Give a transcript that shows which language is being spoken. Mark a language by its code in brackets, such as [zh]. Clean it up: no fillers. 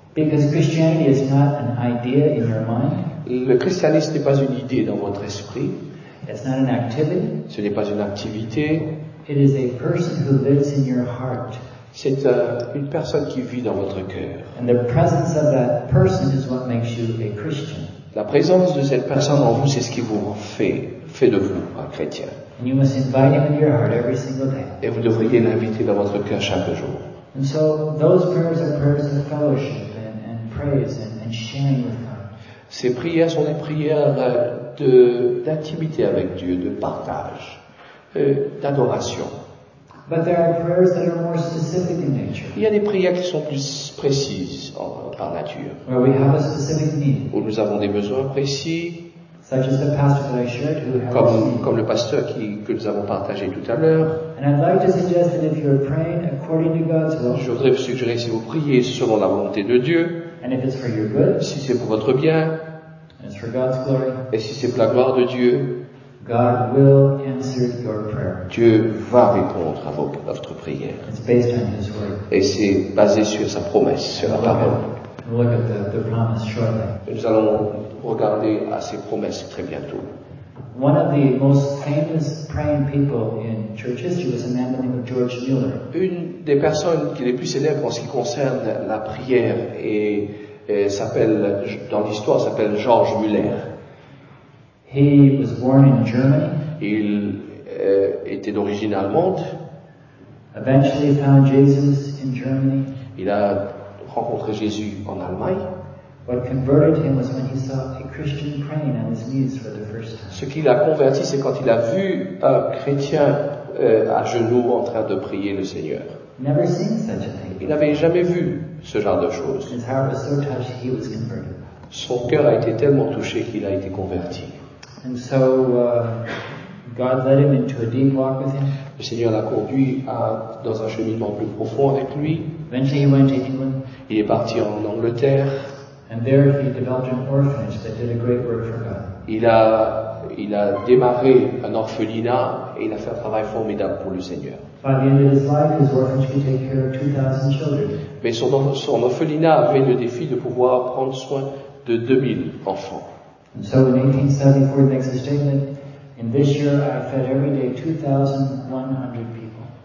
[en] Because Christianity is not an idea in your mind. [fr] Le christianisme n'est pas une idée dans votre esprit. [en] It's not an activity. [fr] Ce n'est pas une activité. [en] It is a person who lives in your heart. [fr] C'est une personne qui vit dans votre cœur. [en] And the presence of that person is what makes you a Christian. [fr] La présence de cette personne en vous, c'est ce qui vous fait de vous un chrétien. [en] And you must invite him in your heart every single day. [fr] Et vous devriez l'inviter dans votre cœur chaque jour. [en] And so those prayers are prayers of fellowship and praise and sharing with God. [fr] Ces prières sont des prières d'intimité avec Dieu, de partage, d'adoration. [en] But there are prayers that are more specific in nature. [fr] Il y a des prières qui sont plus précises par nature. [en] Where we have a specific need. [fr] Où nous avons des besoins précis. [en] Such as the pastor that I shared, who [fr] comme le pasteur que nous avons partagé tout à l'heure. [en] And I'd like to suggest that if you're praying according to God's will. [fr] Je voudrais vous suggérer si vous priez selon la volonté de Dieu. [en] And if it's for your good. [fr] Si c'est pour votre bien. [en] And it's for God's glory. [fr] Et si c'est pour la gloire de Dieu. [en] God will answer your prayer. [fr] Dieu va répondre à votre prière. [en] It's based on his word. [fr] Et c'est basé sur sa promesse, sur la parole. [en] Look at the promise shortly. [fr] Nous allons regarder à ses promesses très bientôt. [en] One of the most famous praying people in church history was a man by the name of George Mueller. [fr] Une des personnes qui est les plus célèbres en ce qui concerne la prière et s'appelle dans l'histoire s'appelle George Mueller. [en] He was born in Germany. [fr] Il était d'origine allemande. [en] Eventually found Jesus in Germany. [fr] Il a rencontré Jésus en Allemagne. [en] What converted him was when he saw a Christian praying on his knees for the first time. [fr] Ce qui l'a converti, c'est quand il a vu un chrétien à genoux en train de prier le Seigneur. [en] Never seen such a thing. [fr] Il n'avait jamais vu ce genre de choses. [en] His heart was so touched, he was converted. [fr] Son cœur a été tellement touché qu'il a été converti. [en] And so God led him into a deep walk with him. [fr] Le Seigneur l'a conduit dans un cheminement plus profond avec lui. [en] Eventually he went to England. [fr] Il est parti en Angleterre. [en] And there he developed an orphanage that did a great work for God. [fr] Il a démarré un orphelinat et il a fait un travail formidable pour le Seigneur. [en] By the end of his life, his orphanage could take care of 2,000 children. [fr] Mais son orphelinat avait le défi de pouvoir prendre soin de 2,000 enfants. [en] And so in 1874, he makes a statement, in this year I fed every day 2,100 people.